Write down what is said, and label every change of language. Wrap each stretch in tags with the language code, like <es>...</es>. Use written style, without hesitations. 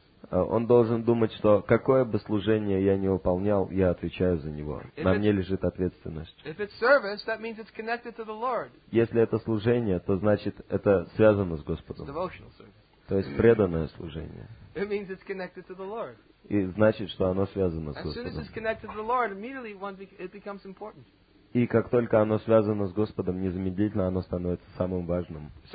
<ru>Он должен думать, что какое бы служение я ни выполнял, я отвечаю за него. На мне лежит ответственность. Если это служение, то значит это связано с Господом. То есть преданное служение.</ru> <en>It means it's connected to the Lord.</en> <ru>И значит, что оно связано с Господом.</ru> <en>As soon as it's connected to the Lord, immediately it becomes important.</en> <ru>И как только оно связано с Господом, незамедлительно оно становится самым важным.</ru>